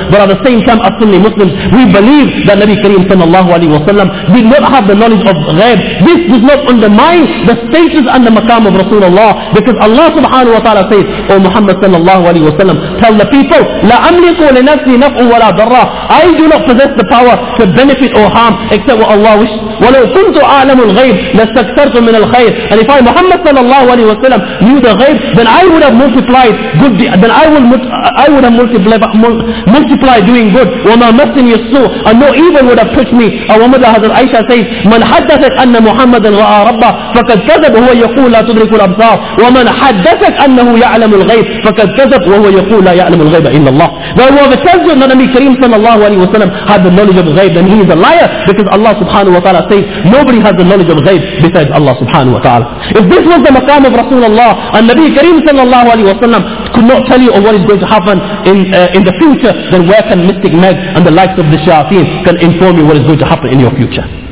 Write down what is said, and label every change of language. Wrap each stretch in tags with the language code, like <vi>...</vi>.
<en>But at the same time, as Sunni Muslims, we believe that Nabi Kareem sallallahu alayhi wa sallam did not have the knowledge of ghaib. This does not undermine the status and the maqam of Rasulullah, because Allah subhanahu wa ta'ala says, O Muhammad sallallahu alayhi wa sallam, tell the people,</en> <ar>لا أملك لنفسي نفع ولا ضرر.</ar> <en>I do not possess the power to benefit or harm except what Allah wishes.</en> <ar>ولو كنت أعلم الغيب لاستكثرت من الخير.</ar> <en>And if I, Muhammad sallallahu alaihi wasallam, knew the ghaib, then I would have multiplied good. Then I would have multiplied doing good.</en> <ar>وما مسني السوء.</ar> <en>And no evil would have touched me.</en> <ar>أو ماذا هذا عائشة</ar> <en>says,</en> <ar>من حدثك أن محمد رأى ربه فقد كذب وهو يقول لا تدرك الأبصار. ومن حدثك أنه يعلم الغيب فقد كذب وهو يقول لا يعلم الغيب. Allah.</ar> <en>Now whoever tells you that Nabi Kareem sallallahu alayhi wa sallam had the knowledge of ghaib, then he is a liar, because Allah subhanahu wa ta'ala says nobody has the knowledge of ghaib besides Allah subhanahu wa ta'ala. If this was the maqam of Rasulullah and Nabi Kareem sallallahu alayhi wa sallam could not tell you of what is going to happen in the future, then where can Mystic Meg and the likes of the Shayateen can inform you what is going to happen in your future?</en>